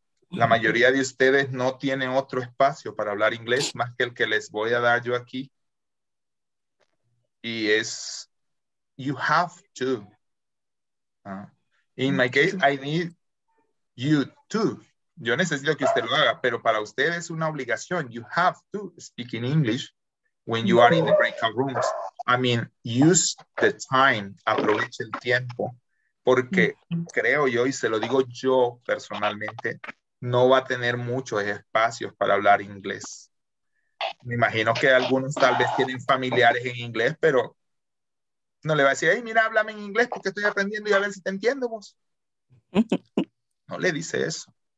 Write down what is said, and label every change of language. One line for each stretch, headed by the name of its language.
Spanish: La mayoría de ustedes no tienen otro espacio para hablar inglés más que el que les voy a dar yo aquí.
English: Is you have to. In my case, I need you to.
Spanish: Yo necesito que usted lo haga, pero para usted es una obligación.
English: You have to speak in English when you are in the breakout rooms. I mean, use the time.
Spanish: Aproveche el tiempo. Porque creo yo, y se lo digo yo personalmente, no va a tener muchos espacios para hablar inglés. Me imagino que algunos tal vez tienen familiares en inglés, pero no le va a decir, hey, mira, háblame en inglés porque estoy aprendiendo y a ver si te entiendo vos. No le dice eso.